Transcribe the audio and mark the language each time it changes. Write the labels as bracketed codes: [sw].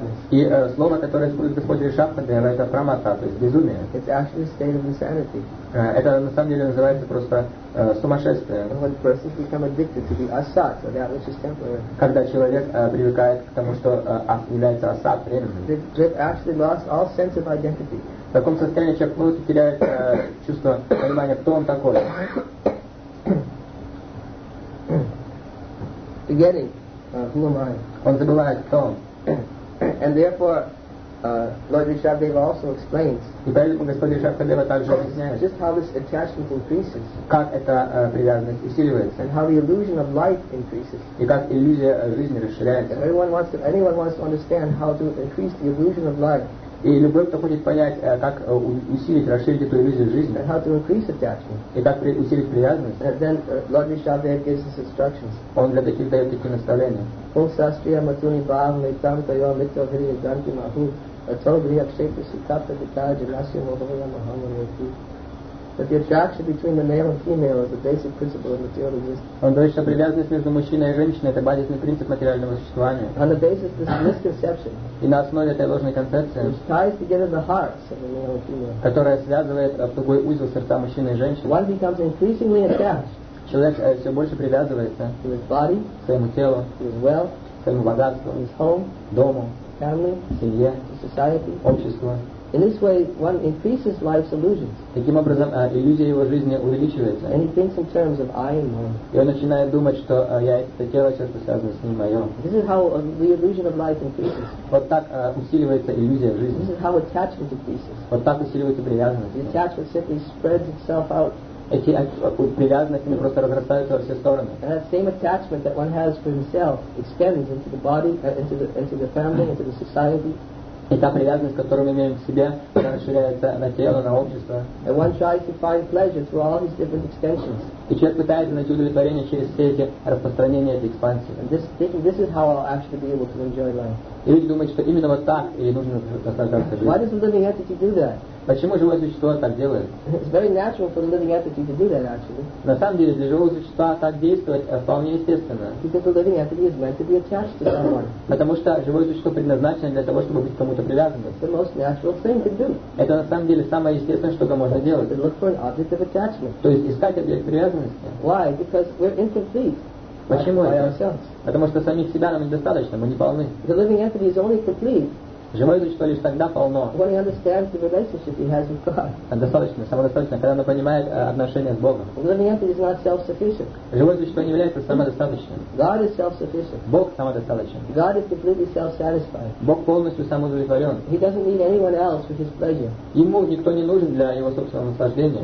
[ru] И слово, которое использует Господь Ришабхадева, это прамата, то есть безумие. [en] It's actually a state of insanity. [ru] Это на самом деле называется просто сумасшествие. [en] When persons become addicted to the asat, or that which is temporary. [ru] Когда человек привыкает к тому, что является асат, временным. [en] They've actually lost all sense of identity. [ru] В таком состоянии человек теряет чувство понимания, кто он такой. [en] Forgetting who am I? [ru] Он забывает, кто он. [en] And therefore, Lord Rishabdeva also explains. [ru] И поэтому Господь Ришабхадева также объясняет. [en] Just how this attachment increases. [ru] Как эта привязанность усиливается. [en] And how the illusion of life increases. [ru] И как иллюзия жизни расширяется. [en] Anyone wants to understand how to increase the illusion of life. [ru] И любой, кто хочет понять, как усилить, расширить эту иллюзию жизни, [en] and how to increase attachment, [ru] и как усилить привязанность, [en] and then Lord Rishabdev gives us instructions. [ru] Он для таких дает такие наставления. Пол састрия матуни бхавны там тайо митро хрия ганти маху ато брия кшейта сикапта витая джинасия мохавая махама нити. [en] That the attraction between the male and female is the basic principle of material existence. [ru] Он говорит, что привязанность между мужчиной и женщиной — это базисный принцип материального существования. [en] On the basis of this misconception. [ru] И на основе этой ложной концепции. [en] Which ties together the hearts of the male and female. [ru] Которая связывает в тугой узел сердца мужчины и женщины. [en] One becomes increasingly attached. [ru] Человек все больше привязывается. [en] To his body. [ru] К своему телу. [en] To his wealth. [ru] К своему богатству. [en] His home. [ru] Дому. [en] Family. [ru] Семье. [en] To society. [ru] Общество. [en] In this way, one increases life's illusions. [ru] Таким образом, иллюзия его жизни увеличивается. [en] And he thinks in terms of I and mine. [ru] И он начинает думать, что я это тело, что связано с ним, мое. [en] This is how the illusion of life increases. [ru] Вот так усиливается иллюзия в жизни. [en] This is how attachment increases. [ru] Вот так усиливается привязанность. [en] The attachment simply spreads itself out. [ru] Эти привязанности просто разрастаются во все стороны. [en] And that same attachment that one has for himself extends into the body, into the family, into the society. [ru] И та привязанность, которую мы имеем к себе, расширяется на тело, на общество. [en] And one tries to find pleasure through all these different extensions. [ru] И человек пытается найти удовлетворение через все эти распространения, эти экспансии. [en] And this is how I'll actually be able to enjoy life. [ru] И люди думают, что именно вот так и нужно наслаждаться жизнью. [en] Why does the living entity do that? [ru] Почему живое существо так делает? [en] It's very natural for the living entity to do that, actually. [ru] На самом деле для живого существа так действовать вполне естественно. [en] Because the living entity is meant to be attached to someone. [ru] Потому что живое существо предназначено для того, чтобы быть кому-то привязанным. [en] It's the most natural thing to do. [ru] Это на самом деле самое естественное, что можно делать. [en] To look for an object of attachment. [ru] То есть искать объект привязанности. [en] Why? Because we're incomplete. [ru] Почему [en] by [ru] это? [en] Ourselves. [ru] Потому что самих себя нам недостаточно, мы не полны. [en] The living entity is only complete. [ru] Живое существо лишь тогда полно. [en] When he understands the relationship he has with God. [ru] Достаточно, самодостаточно, когда оно понимает отношения с Богом. [en] The living entity is not self-sufficient. [ru] Живое существо не является самодостаточным. [en] God is self-sufficient. [ru] Бог самодостаточен. [en] God is completely self-satisfied. [ru] Бог полностью самоудовлетворен. [en] He doesn't need anyone else for his pleasure. [ru] Ему никто не нужен для его собственного наслаждения.